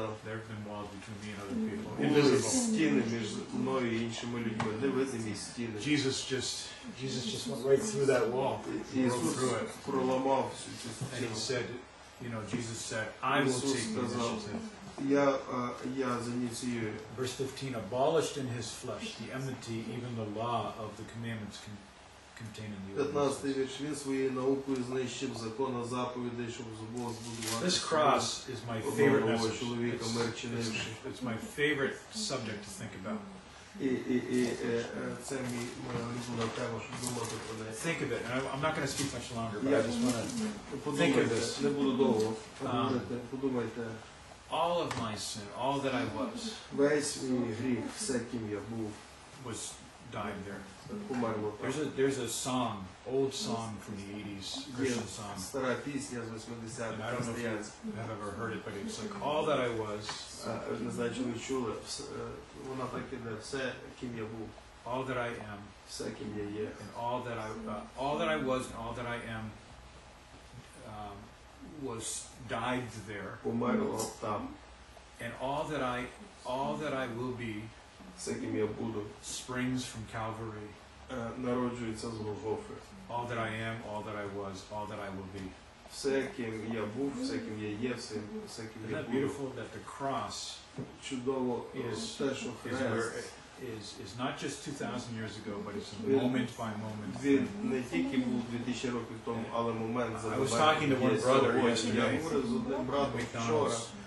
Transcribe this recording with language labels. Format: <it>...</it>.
<en>There have been walls between me and other people.</en> <uk>Стіни між мною і іншими людьми. Невидимі стіни.</uk> <en>Jesus just went right through that wall.</en> <uk>Ісус проламав цю стіну.</uk> <en>And he said, you know, Jesus said, I will take the initiative.</en> <uk>Я за ініціюю.</uk> <en>Verse 15, abolished in his flesh the enmity, even the law of the commandments contained in the</en> <uk>15-й вірш, він своєю наукою знищив закон о заповідей, щоб Бог збудував.</uk> <en>This cross is my favorite message.</en> <uk>Чоловіка мерченим.</uk> <en>It's my favorite subject to think about.</en> <uk>І це моя улюблена тема, щоб думати про неї.</uk> <en>Think of it. I'm not going to speak much longer, but I just want to think of this.</en> <uk>Не буду довго. Подумайте.</uk> <en>All of my sin, all that I was,</en> <uk>весь мій гріх, все, ким я був,</uk> <en>was died there. There's a song, old song from the 80s, Christian song.</en> <uk>Стара пісня з 80-х.</uk> <en>I don't know if you have ever heard it, but it's like, all that I was.</en> <uk>Не знаю, чи ви чули. Вона так іде. Все, ким я був.</uk> <en>All that I am.</en> <uk>Все, ким я є.</uk> <en>And all that I was and all that I am was died there.</en> <uk>Померло там.</uk> <en>And all that I will be,</en> <uk>все, ким я буду,</uk> <en>springs from Calvary.</en> <uk>Народжується з Голгофи.</uk> <en>All that I am, all that I was, all that I will be.</en> <uk>Все, ким я був, все, ким я є, все, ким я буду.</uk> <en>Isn't that beautiful that the cross</en> <uk>чудово,</uk> <en>is not just 2000 years ago, but it's moment by moment.</en> <uk>Він не тільки був 2000 років тому, але момент за моментом.</uk> <en>I was talking to one brother yesterday.</en> <uk>Я говорив з одним братом вчора.</uk>